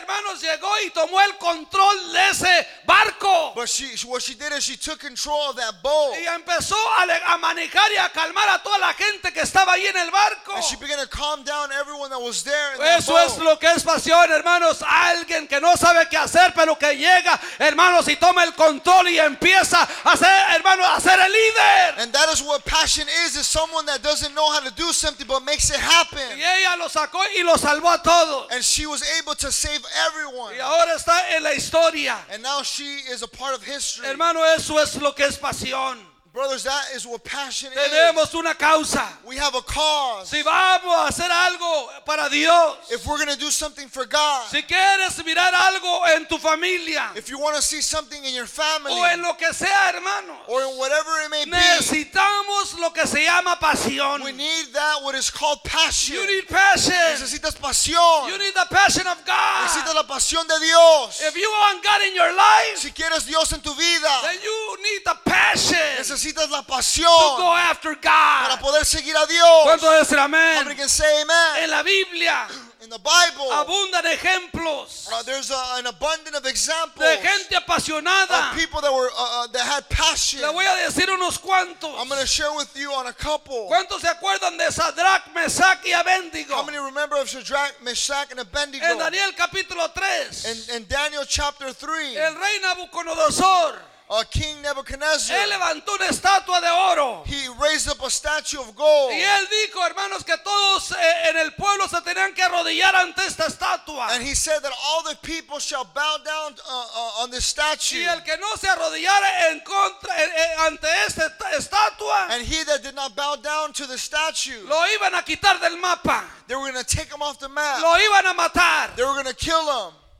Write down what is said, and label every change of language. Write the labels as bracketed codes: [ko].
[es] Hermanos, llegó y tomó el control de ese barco. [en] But what she did is she took control of that boat. [es] Y empezó a manejar y a calmar a toda la gente que estaba ahí en el barco. [en] And she began to calm down everyone that was there in the boat. [es] Eso es lo que es pasión, hermanos. Alguien que no sabe qué hacer, pero que llega, hermanos, y toma el control y empieza a ser, hermanos, a ser el líder. [en] And that is what passion is someone that doesn't know how to do something but makes it happen. [es] Y ella lo sacó y lo salvó. [en] And she was able to save everyone. [es] Y ahora está en la historia. [en] And now she is a part of history. [es] Hermano, eso es lo que es pasión. [en] Brothers, that is what passion [es] tenemos [en] is. [es] Tenemos una causa. [en] We have a cause. [es] Si vamos a hacer algo para Dios. [en] If we're going to do something for God. [es] Si quieres mirar algo en tu familia. [en] If you want to see something in your family. [es] O en lo que sea, hermanos. [en] Or in whatever it may be. [es] Necesitamos lo que se llama pasión. [en] We need that what is called passion. You need passion. [es] Necesitas pasión. [en] You need the passion of God. [es] Necesitas la pasión de Dios. [en] If you want God in your life. [es] Si quieres Dios en tu vida. [en] Then you need the passion. [es] Necesitas la pasión [en] to go after God. [es] Para poder seguir a Dios. ¿Cuánto debe ser amén? [en] Somebody can say amen. [es] En la Biblia. [en] In the Bible. [es] Abundan ejemplos. [en] There's an abundance of examples. [es] De gente apasionada. [en] Of people that were that had passion. [es] Le voy a decir unos cuantos. [en] I'm going to share with you on a couple. [es] ¿Cuántos se acuerdan de Sadrach, Meshach y Abednego? [en] How many remember of Sadrach, Meshach and Abednego? [es] En Daniel capítulo 3. [en] In Daniel chapter 3. [es] El rey Nabucodonosor. [en] King Nebuchadnezzar. [es] Él levantó una estatua de oro. [en] He raised up a statue of gold. [es] Y él dijo, hermanos, que todos en el pueblo se tenían que arrodillar ante esta estatua. [en] And he said that all the people shall bow down on this statue. [es] Y el que no se arrodillara en contra ante esta estatua. [en] And he that did not bow down to the statue. [es] Lo iban a quitar del mapa. [en] They were going to take him off the map. [es] Lo iban a matar. [en] They were going to kill him.